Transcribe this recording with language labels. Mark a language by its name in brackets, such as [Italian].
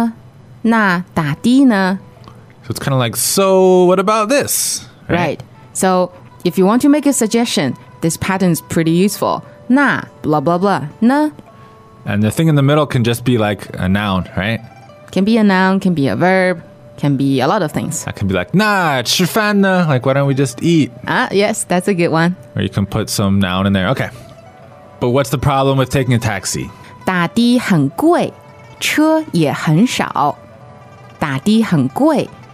[Chinese] 那什么什么呢?那打的呢? [English] So it's kind of like, so what about this? Right. So if you want to make a suggestion, this pattern is pretty useful. [Chinese] 那, blah, blah, blah, 呢? [English] And the thing in the middle can just be like a noun, right? Can be a noun, can be a verb, can be a lot of things. I can be like, [Chinese] 那,吃饭呢? [English] Like, why don't we just eat? Yes, that's a good one. Or you can put some noun in there. Okay. But what's the problem with taking a taxi? [Chinese] 打的很贵,车也很少。打的很贵。